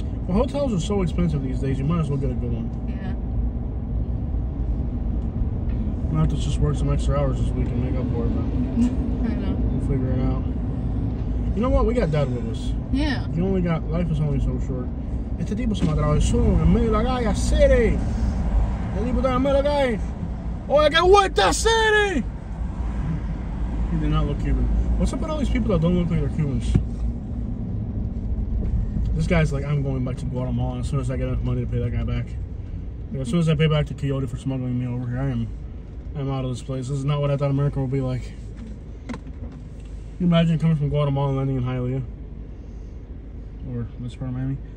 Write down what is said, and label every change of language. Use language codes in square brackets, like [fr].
[en] Well, hotels are so expensive these days, you might as well get a good one. Yeah. We'll have to just work some extra hours this week and make up for it, but I know. We'll figure it out. You know what? We got dad with us. Yeah. You only got, life is only so short. [es] Este tipo se me atravesó en medio de la calle, city. El tipo está en medio de la calle. Oye, que vuelta, city. [en] He did not look Cuban. What's up with all these people that don't look like they're Cubans? This guy's like, I'm going back to Guatemala as soon as I get enough money to pay that guy back. Like, as soon as I pay back to Coyote for smuggling me over here, I'm out of this place. This is not what I thought America would be like. Can you imagine coming from Guatemala and landing in Hialeah? Or this part of Miami?